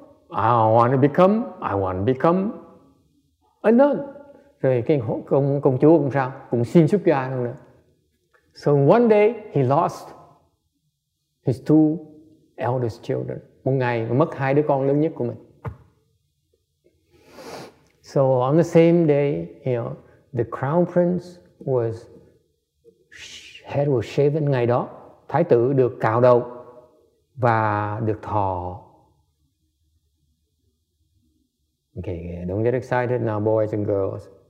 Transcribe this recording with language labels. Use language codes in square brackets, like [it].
[en] I want to become a nun. [vi] Rồi cái công chúa cũng sao, cũng xin Sukya luôn nữa. [en] So one day he lost his two eldest children. [vi] Một ngày mất hai đứa con lớn nhất của mình. [en] So on the same day, you know, the crown prince was shaven. [vi] Ngày đó thái tử được cạo đầu và được thọ. [en] Okay, don't get excited now, boys and girls.